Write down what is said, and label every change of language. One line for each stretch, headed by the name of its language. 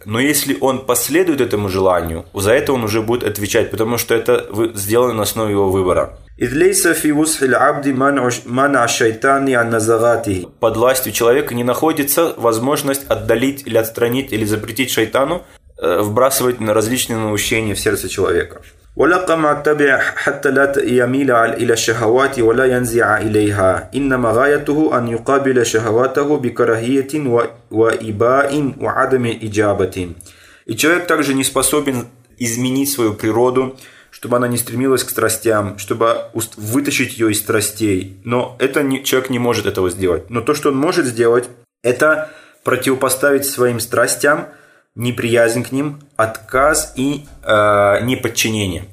Russian: Но если он последует этому желанию, за это он уже будет отвечать, потому что это сделано на основе его выбора. Под властью человека не находится возможность отдалить или отстранить или запретить шайтану вбрасывать на различные наущения в сердце человека.
Arabic: ولقى ما اتبع حتى لا يميل إلى الشهوات ولا ينزع إليها، إنما غايته أن يقابل شهواته بكراهية وإباء وعدم إجابة.
Russian: И человек также не способен изменить свою природу, чтобы она не стремилась к страстям, чтобы вытащить ее из страстей. Но это не, человек не может этого сделать. Но то, что он может сделать, это противопоставить своим страстям неприязнь к ним, отказ и неподчинение.